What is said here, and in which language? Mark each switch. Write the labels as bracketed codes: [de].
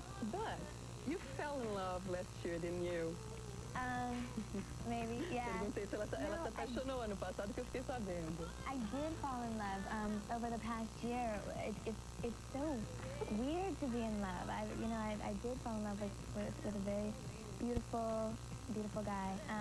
[en] But you fell in love last year, didn't you? Maybe, yeah. [pt] Perguntei se ela se apaixonou ano passado, que eu fiquei sabendo. [en] I did fall in love over the past year. It's so weird to be in love. I did fall in love with a very beautiful guy.